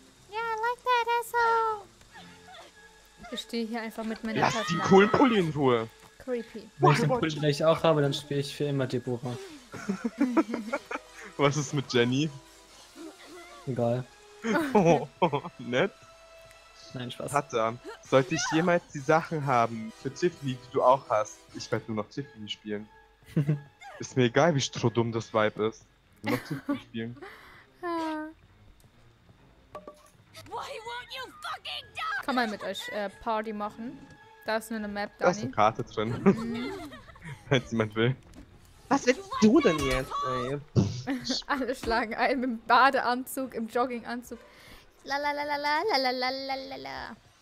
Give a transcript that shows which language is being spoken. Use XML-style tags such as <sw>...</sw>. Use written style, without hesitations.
<en>Yeah, I like that asshole.</en> <de>Ich stehe hier einfach mit meiner Tasche. Lass die coolen Pulli in Ruhe.</de> <en>Creepy.</en> <de>Wenn ich den Pulli gleich auch habe, dann spiele ich für immer Deborah. Was ist mit Jenny? Egal. Oh, nett. Nein, Spaß. Tata, sollte ich jemals die Sachen haben für Tiffany, die du auch hast, ich werde nur noch Tiffany spielen. Ist mir egal, wie strodumm das Vibe ist. Nur noch Tiffany spielen.</de> <en>Why won't you fucking die?</en> <de>Kann man mit euch Party machen? Da ist nur eine Map, da ist eine Karte drin. Wenn jemand will. Was willst du denn jetzt, ey? Alle schlagen ein im Badeanzug, im Jogginganzug. La la la la la la la la la.</de>